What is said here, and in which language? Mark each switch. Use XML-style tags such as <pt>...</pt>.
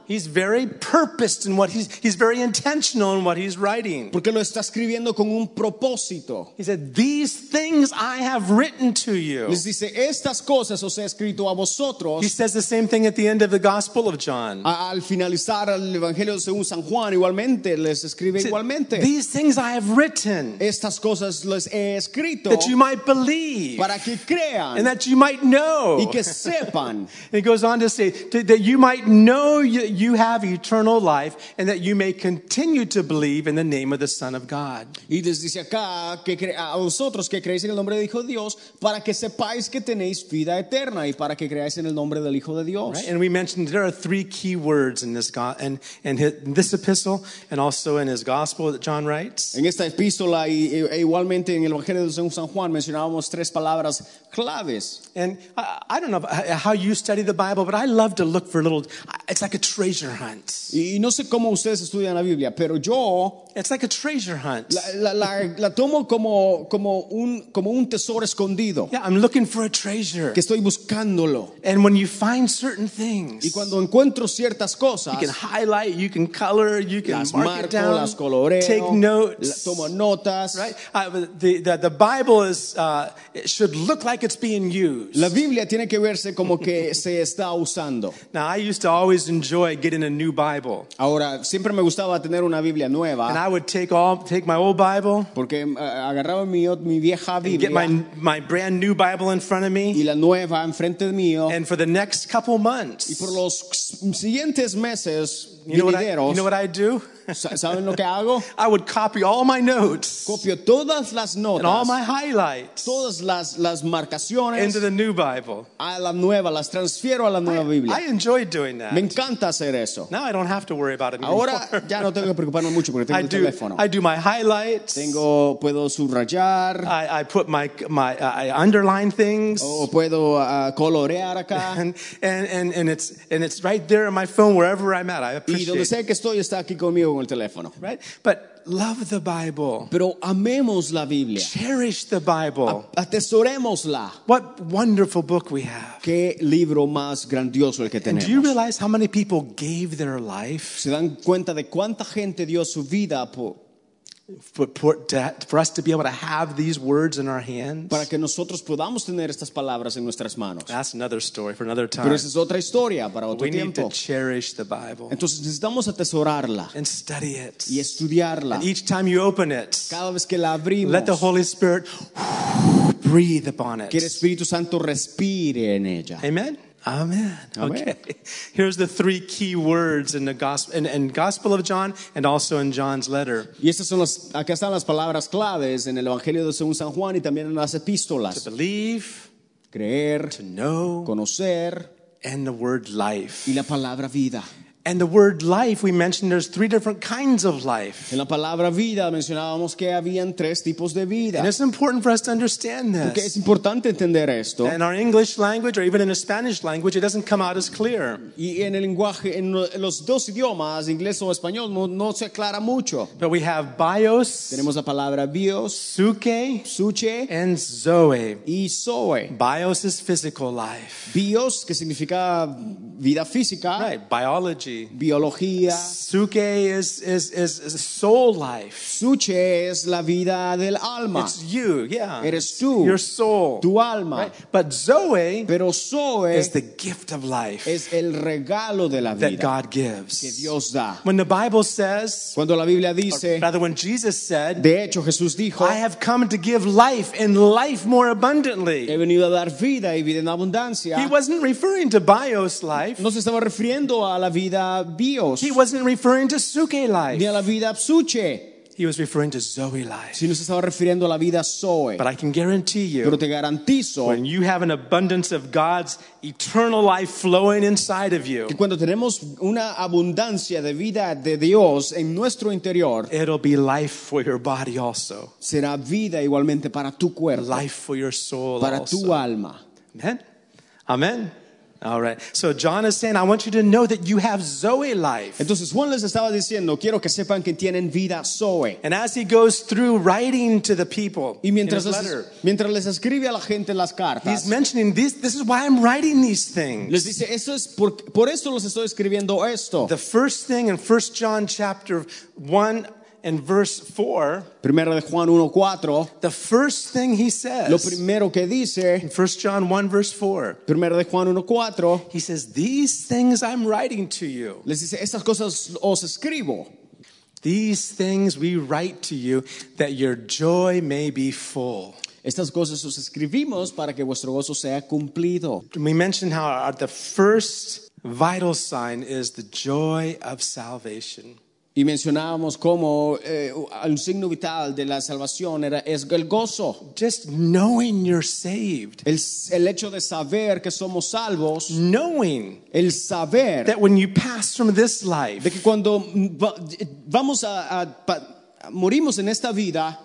<en>He's very purposed in what he's very intentional in what he's writing.</en> <es>Porque lo está escribiendo con un propósito.</es> <en>He said, "These things I have written to you."</en> <es>Les dice, "Estas cosas os he escrito a vosotros."</es> <en>He says the same thing at the end of the Gospel of John.</en> <es>Al finalizar el Evangelio según San Juan igualmente les escribe igualmente.</es> <en>"These things I have written."</en> <es>Estas cosas les he escrito.</es> <en>That you might believe.</en> <es>Para que crean.</es> <en>And that you might know.</en> <es>Y que sepan.</es> <en>And it goes on to say that you might know you have eternal life and that you may continue to believe in the name of the Son of God.</en> <es>Y les dice acá que a vosotros que creéis en el nombre del Hijo de Dios para que sepáis que tenéis vida eterna y para que creáis en el nombre del Hijo de Dios.</es> <en>Right? And we mentioned there are three key words in this this epistle and also in his gospel that John writes.</en> <es>En esta epístola e igualmente en el Evangelio de San Juan mencionábamos tres palabras claras.</es> <en>And I don't know how you study the Bible, but I love to look for little. It's like a treasure hunt.</en> <es>Y no sé cómo ustedes estudian la Biblia, pero yo.</es> <en>It's like a treasure hunt.</en> <es>La tomo como un tesoro escondido.</es> <en>Yeah, I'm looking for a treasure.</en> <es>Que estoy buscándolo.</es> <en>And when you find certain things,</en> <es>y cuando encuentro ciertas cosas,</es> <en>you can highlight, you can color, you can</en> <es>las</es> <en>mark</en> <es>marco,</es> <en>it down,</en> <es>las coloreo,</es> <en>take notes,</en> <es>tomo notas.</es> <en>Right? The Bible is it should look like it's being used.</en> <es>La Biblia tiene que verse como que se está usando.</es> <en>Now I used to always enjoy getting a new Bible.</en> <es>Ahora siempre me gustaba tener una Biblia nueva.</es> <en>And I would take my old Bible.</en> <es>Porque agarraba mi vieja Biblia.</es> <en>And get my brand new Bible in front of me.</en> <es>Y la nueva enfrente mío.</es> <en>And for the next couple months.</en> <es>Y por los siguientes meses.</es> <en>You know what I do?</en> <es>¿Saben lo que hago?</es> <en>I would copy all my notes.</en> <es>Copio todas las notas.</es> <en>And all my highlights.</en> <es>Todas las marcaciones.</es> <en>Into the new Bible.</en> <es>A la nueva, las transfiero a la nueva Biblia.</es> <en>I enjoy doing that.</en> <es>Me encanta hacer eso.</es> <en>Now I don't have to worry about it anymore.</en> <es>Ahora ya no tengo que preocuparme mucho porque tengo el teléfono.</es> <en>I do my highlights.</en> <es>Tengo, puedo subrayar.</es> <en>I put my I underline things.</en> <es>O puedo colorear acá.</es> <en>And it's right there in my phone wherever I'm at. I appreciate it.</en> <es>Y donde sea que estoy está aquí conmigo. Con el teléfono.</es> <en>Right? But love the Bible.</en> <es>Pero amemos la Biblia.</es> <en>Cherish the Bible.</en> <es>Atesorémosla.</es> <en>What wonderful book we have.</en> <es>Qué libro más grandioso el que tenemos.</es> <en>And do you realize how many people gave their life?</en> <es>¿Se dan cuenta de cuánta gente dio su vida</es> <en>for us to be able to have these words in our hands?</en> <es>Para que nosotros podamos tener estas palabras en nuestras manos.</es> <en>That's another story for another time.</en> <es>Pero esa es otra historia para otro</es> <en>we</en> <es>tiempo.</es> <en>We need to cherish the Bible.</en> <es>Entonces necesitamos atesorarla.</es> <en>And study it.</en> <es>Y estudiarla.</es> <en>And each time you open it,</en> <es>cada vez que la abrimos,</es> <en>let the Holy Spirit breathe upon it.</en> <es>Que el Espíritu Santo respire en ella.</es> <en>Amen.</en> <es>Amen.</es> <en>Okay. Here's the three key words in the gospel, in Gospel of John, and also in John's letter.</en> <es>Y estas son acá están las palabras claves en el Evangelio de según San Juan y también en las epístolas.</es> <en>To believe,</en> <es>creer,</es> <en>to know,</en> <es>conocer,</es> <en>and the word life.</en> <es>Y la palabra vida.</es> <en>And the word life, we mentioned there's three different kinds of life.</en> <es>En la palabra vida mencionábamos que habían tres tipos de vida.</es> <en>And it's important for us to understand this.</en> <es>Porque es importante entender esto.</es> <en>In our English language, or even in the Spanish language, it doesn't come out as clear.</en> <es>Y en el lenguaje, en los dos idiomas, inglés o español, no se aclara mucho.</es> <en>But we have bios.</en> <es>Tenemos la palabra bios.</es> <en>Psuche.</en> <es>Psuche.</es> <en>And zoe.</en> <es>Y zoe.</es> <en>Bios is physical life.</en> <es>Bios, que significa vida física.</es> <en>Right, biology.</en> <es>Biología.</es> <en>Psuche is soul life.</en> <es>Psuche es la vida del alma.</es> <en>It's you, yeah.</en> <es>Eres tú.</es> <en>Your soul.</en> <es>Tu alma.</es> <en>Right? But Zoe,</en> <es>pero Zoe</es> <en>is the gift of life.</en> <es>Es el regalo de la vida</es> <en>that God gives.</en> <es>Que Dios da.</es> <en>When the Bible says,</en> <es>cuando la Biblia dice,</es> <en>or rather when Jesus said,</en> <es>de hecho Jesús dijo,</es> <en>I have come to give life and life more abundantly.</en> <es>He venido a dar vida y vida en abundancia.</es> <en>He wasn't referring to bios life.</en> <es>No se estaba refiriendo a la vida bios.</es> <en>He wasn't referring to Suke life.</en> <es>Ni a la vida psuche.</es> <en>He was referring to Zoe life.</en> <es>Si nos estaba refiriendo a la vida Zoe.</es> <en>But I can guarantee you,</en> <es>pero te garantizo,</es> <en>when you have an abundance of God's eternal life flowing inside of you,</en> <es>que cuando tenemos una abundancia de vida de Dios en nuestro interior,</es> <en>it'll be life for your body also.</en> <es>Será vida igualmente para tu cuerpo.</es> <en>Life for your soul.</en> <es>Para</es> <en>also.</en> <es>Tu alma.</es> <en>Amen. Amen. All right. So John is saying, I want you to know that you have Zoe life.</en> <es>Entonces Juan les estaba diciendo, quiero que sepan que tienen vida Zoe.</es> <en>And as he goes through writing to the people,</en> <es>y mientras les escribe a la gente las cartas,</es> <en>he's mentioning this is why I'm writing these things.</en> <es>Les dice, eso es por eso los estoy escribiendo esto.</es> <en>The first thing in 1 John chapter 1 and verse 4,</en> <es>Primera de Juan 1:4,</es> <en>the first thing he says,</en> <es>lo primero que dice,</es> <en>in 1 John 1 verse 4,</en> <es>Primera de Juan 1:4,</es> <en>he says, these things I'm writing to you.</en> <es>Les dice, estas cosas os escribo.</es> <en>These things we write to you that your joy may be full.</en> <es>Estas cosas os escribimos para que vuestro gozo sea cumplido.</es> <en>We mentioned how the first vital sign is the joy of salvation.</en> <es>Y mencionábamos cómo el signo vital de la salvación es el gozo.</es> <en>Just knowing you're saved.</en> <es>El hecho de saber que somos salvos.</es> <en>Knowing.</en> <es>El saber.</es> <en>That when you pass from this life.</en> <es>De que cuando vamos a morimos en esta vida.</es>